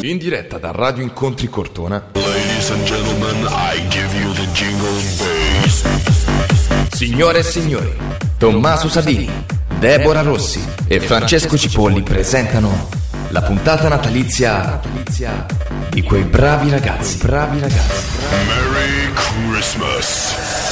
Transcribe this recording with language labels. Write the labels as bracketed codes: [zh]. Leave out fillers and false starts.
[it] In diretta da Radio Incontri Cortona. [en] Ladies and gentlemen, I give you the jingle bass. [it] Signore e signori, Tommaso Sabini, Deborah Rossi e Francesco Cipolli presentano la puntata natalizia di quei bravi ragazzi. Bravi ragazzi. [en] Merry Christmas.